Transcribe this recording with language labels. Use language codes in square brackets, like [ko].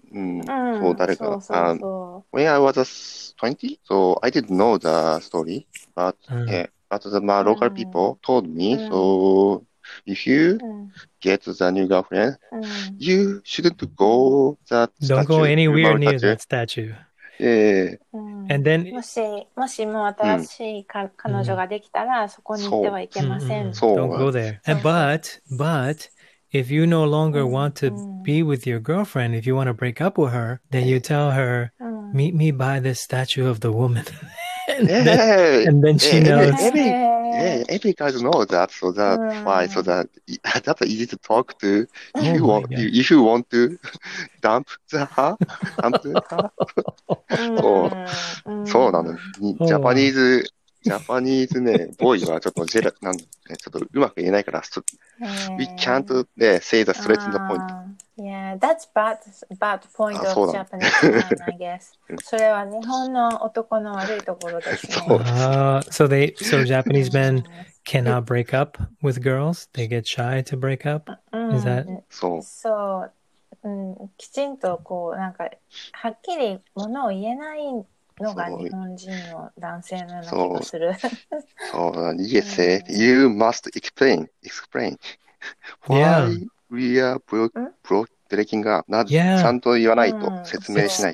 [en] When I was 20, so I didn't know the story, but my local people told me, so if you get the new girlfriend, you shouldn't go that Don't go anywhere near that statue. And then, [ja] もしも新しい彼女ができたら、そこに行ってはいけません。 [en] Don't go there. And but if you no longer want to be with your girlfriend, if you want to break up with her, then you tell her, meet me by the statue of the woman. and then she knows. Every guy knows that, so that's why, so that's easy to talk to. If you want to dump the her, [ja] そうなの。 Japanese ね、ボーイはちょっとジェラ、なんで、ね、ちょっとうまく言えないから、 [en] we can't、 [ja] ね、 [en] say the straight in the point. Yeah, that's bad point of Japanese man, I guess. [ja] それは日本の男の悪いところですね。 [en] So Japanese men cannot break up with girls? They get shy to break up? Is that? [ja] そう。そう。きちんとこう、なんか、はっきりものを言えないのが日本人の男性のようなことをする。 [en] そう、You must explain why we are breaking up. [ja] ちゃんと言わないと説明しない。